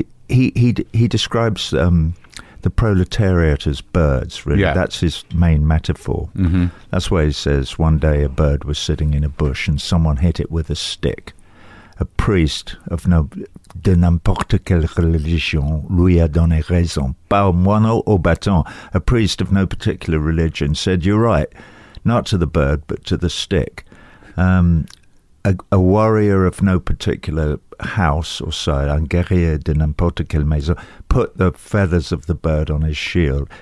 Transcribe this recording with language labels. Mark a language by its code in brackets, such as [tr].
[en] He describes the proletariat as birds, really. Yeah. That's his main metaphor. Mm-hmm. That's why he says, one day a bird was sitting in a bush and someone hit it with a stick. A priest of [fr] de n'importe quelle religion lui a donné raison. Pas au moineau au bâton. [en] A priest of no particular religion said, you're right, not to the bird, but to the stick. A warrior of no particular house or side, [fr] un guerrier de n'importe quelle maison, [en] put the feathers of the bird on his shield.